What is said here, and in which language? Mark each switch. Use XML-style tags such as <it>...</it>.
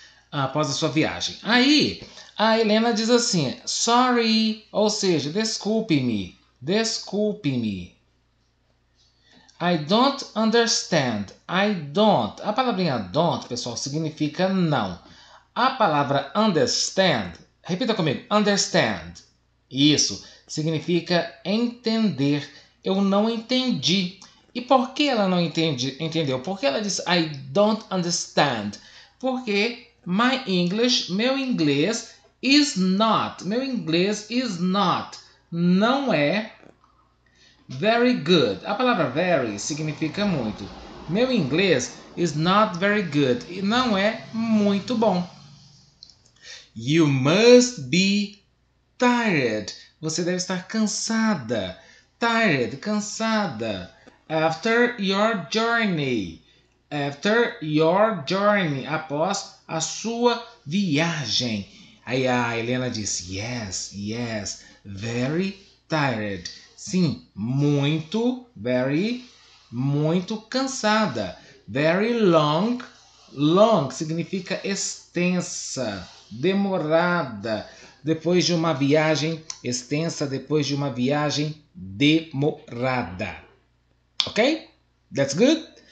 <pt>Após a sua viagem. Aí, a Helena diz assim, sorry, ou seja, desculpe-me, desculpe-me.</pt> <en>I don't understand, I don't.</en> <pt>A palavrinha don't, pessoal, significa não. A palavra understand, repita comigo, understand. Isso, significa entender, eu não entendi. E por que ela não entende, entendeu? Por que ela diz</pt> <en>I don't understand? Porque my English, meu inglês, is not, meu inglês is not, não é very good.</en> <pt>A palavra very significa muito. Meu inglês</pt> <en>is not very good,</en> <pt>não é muito bom.</pt> <en>You must be tired,</en> <pt>você deve estar cansada,</pt> <en>tired, cansada, after your journey. After your journey,</en> <pt>após a sua viagem. Aí a Helena diz,</pt> <en>yes, yes, very tired.</en> <pt>Sim, muito, very, muito cansada.</pt> <en>Very long</en> <pt>Long significa extensa, demorada, depois de uma viagem, extensa depois de uma viagem demorada. Ok?</pt> <en>That's good?</en>